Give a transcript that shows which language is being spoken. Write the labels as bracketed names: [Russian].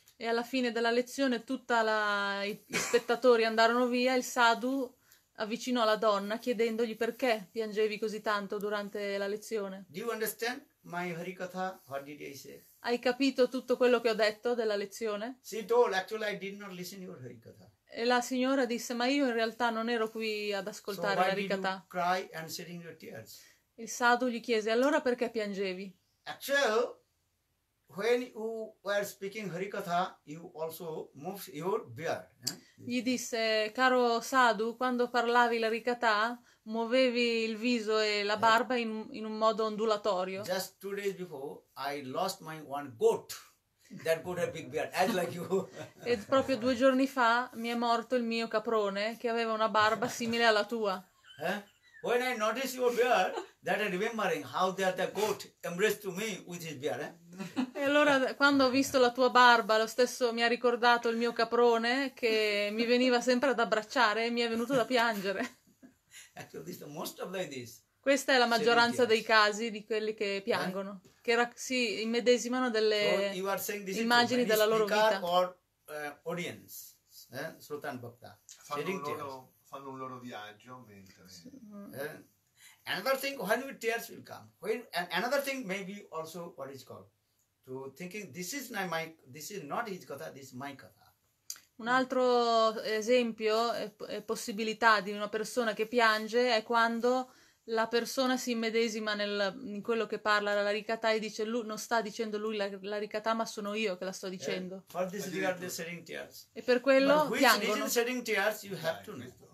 [Italian] E alla fine della lezione tutta i spettatori andarono via. Il sadhu avvicinò la donna chiedendogli perché piangevi così tanto durante la lezione. [English] Do you understand my harikatha? What did I say? [Italian] Hai capito tutto quello che ho detto della lezione? [English] She told, actually I did not listen your harikatha. [Italian] E la signora disse, ma io in realtà non ero qui ad ascoltare la rikatha. [English] So why did you cry and shedding your tears? [Italian] Il sadhu gli chiese, allora perché piangevi? [English] Actually, when you were speaking harikatha, you also moved your beard. [Italian] Gli disse, caro sadhu, quando parlavi la rikatha, muovevi il viso e la barba in un modo ondulatorio. [English] Just 2 days before, I lost my one goat. That goat had a big beard, as like you. [Italian] E proprio 2 giorni fa mi è morto il mio caprone che aveva una barba simile alla tua. [English] When I noticed your beard, that I remembering how that the goat embraced to me with his beard. [Italian] E allora quando ho visto la tua barba, lo stesso mi ha ricordato il mio caprone che mi veniva sempre ad abbracciare e mi è venuto da piangere. [English] Actually, this is the most of this. [Italian] Questa è la maggioranza dei casi di quelli che piangono, che si immedesimano delle immagini della loro vita. [English] Or, audience, Sultan Bhakta. [Italian] Fanno un loro viaggio mentre. [English] Another thing, when your tears will come. Another thing, maybe also what is called to thinking this is not my, this is not his katha, this is my katha. [Italian] Un altro esempio e possibilità di una persona che piange è quando la persona si immedesima in quello che parla la rikatha e dice lui, non sta dicendo lui la rikatha, ma sono io che la sto dicendo. [English] For this regard the shedding tears. [Italian] E per quello piangono. [English] Which reason shedding tears you have to know.